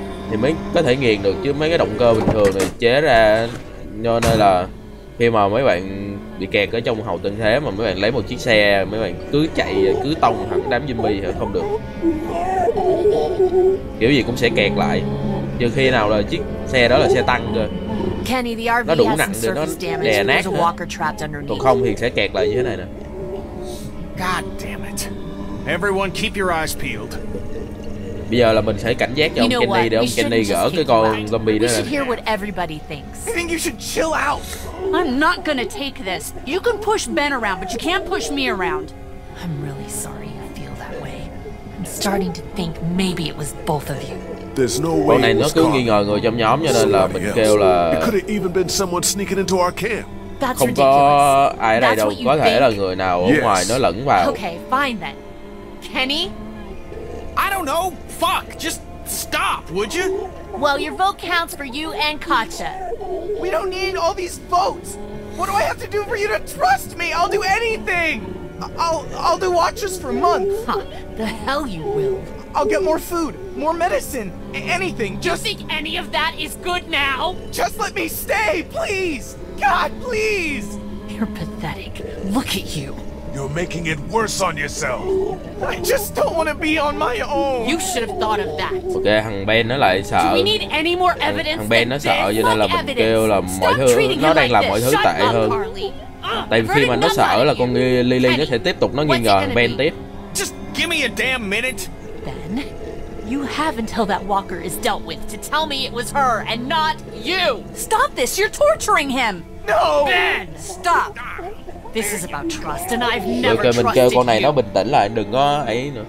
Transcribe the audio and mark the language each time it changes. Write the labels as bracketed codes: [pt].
[vi] Thì mới có thể nghiền được chứ mấy cái động cơ bình thường thì chế ra cho nên là khi mà mấy bạn bị kẹt ở trong hầu tinh thế mà mấy bạn lấy một chiếc xe mấy bạn cứ chạy cứ tông thẳng đám zombie thì không được, kiểu gì cũng sẽ kẹt lại trừ khi nào là chiếc xe đó là xe tăng cơ, nó đủ nặng để nó đè nát hết, còn không thì sẽ kẹt lại như thế này nè. [en] God damn it. Everyone keep your eyes peeled. [vi] Bây giờ là mình sẽ cảnh giác cho ông Kenny để ông Kenny gỡ cái con zombie đó. [en] We should hear what everybody thinks. I think you should chill out. I'm not gonna take this. You can push Ben around, but you can't push me around. I'm really sorry you feel that way. I'm starting to think maybe it was both of you. There's no way. [vi] Con này nó cứ nghi ngờ người trong nhóm cho nên là mình kêu là [en] it could have even been someone sneaking into our camp. [vi] Không có ai đây đâu, có thể là người nào ở ngoài nó lẫn vào. [en] Okay, fine then. Kenny? I don't know. Fuck, just stop, would you? Well, your vote counts for you and Katja. We don't need all these votes. What do I have to do for you to trust me? I'll do anything. I'll do watches for months. Huh, the hell you will. I'll get more food, more medicine, anything. Do you think any of that is good now? Just let me stay, please. God, please. You're pathetic. Look at you. You're making it worse on yourself. I just don't want to be on my own. You should have thought of that. [vi] Okay, thằng Ben nó lại sợ. [en] Do we need any more evidence? [vi] Thằng Ben nó sợ cho nên là mình kêu là mọi thứ nó đang làm mọi thứ tệ hơn. Tại khi mà nó sợ là con Lily nó sẽ tiếp tục nó nghi ngờ thằng Ben tiếp. [en] Just give me a damn minute. Ben, You have until that walker is dealt with to tell me it was her and not you! Stop this! You're torturing him! No! Ben! Stop! This is about trust, and I've never trusted you. [vi] Mình kêu con này nó bình tĩnh lại, đừng có ấy nữa.